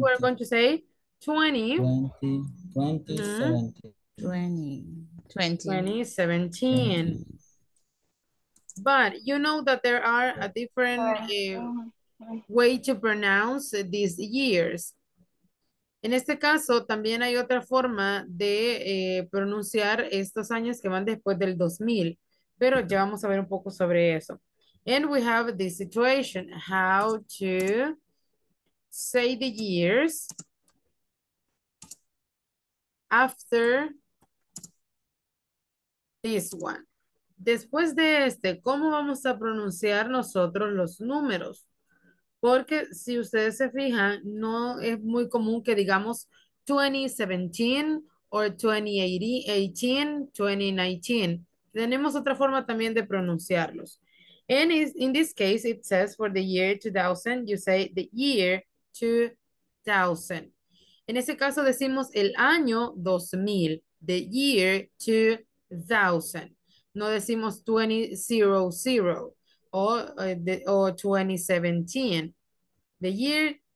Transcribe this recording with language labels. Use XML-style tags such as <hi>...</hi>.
<en>We're going to say 2017. But you know that there are a different way to pronounce these years.</en> <es>En este caso, también hay otra forma de pronunciar estos años que van después del 2000, pero ya vamos a ver un poco sobre eso.</es> <en>And we have this situation, how to say the years after this one.</en> <es>Después de este, ¿cómo vamos a pronunciar nosotros los números? Porque si ustedes se fijan, no es muy común que digamos 2017 o 2018, 2019. Tenemos otra forma también de pronunciarlos.</es> <en>And in this case, it says for the year 2000, you say the year 2000.</en> <es>En ese caso decimos el año 2000,</es> <en>the year 2000.</en> <es>No decimos 2000 o 2017.</es> <en>The year</en>